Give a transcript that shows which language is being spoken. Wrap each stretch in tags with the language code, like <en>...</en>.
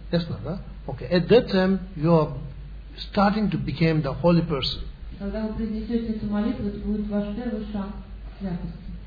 <en>Yes, Doctor. Okay. At that time, you are starting to become the holy person.</en> <ru>Когда вы произнесете эту молитву, это будет ваш первый шаг к святости.</ru>